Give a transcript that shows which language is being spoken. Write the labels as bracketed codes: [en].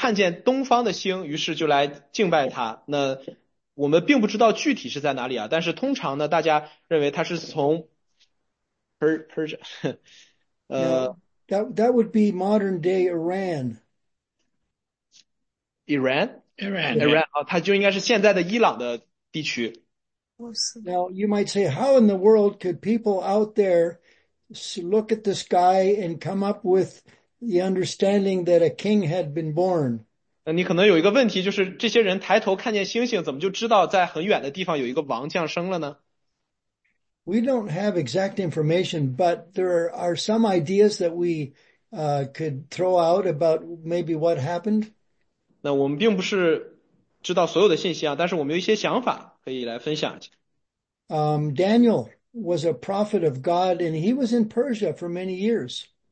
[zh] 他说他们看见东方的星，于是就来敬拜他。那我们并不知道具体是在哪里啊， 但是通常呢， 大家认为他是从 Persia [en] That would be modern day Iran. Iran? Iran. Iran. Yeah. [zh] 他就应该是现在的伊朗的地区。 [en] Now, you might say, how in the world could people out there look at the sky and come up with the understanding that a king had been born? [zh] 你可能有一个问题，就是这些人抬头看见星星，怎么就知道在很远的地方有一个王降生了呢？ [en] We don't have exact information, but there are some ideas that we could throw out about maybe what happened. [zh] 那我们并不是知道所有的信息啊，但是我们有一些想法可以来分享一下。 [en] Daniel was a prophet of God, and he was in Persia for many years.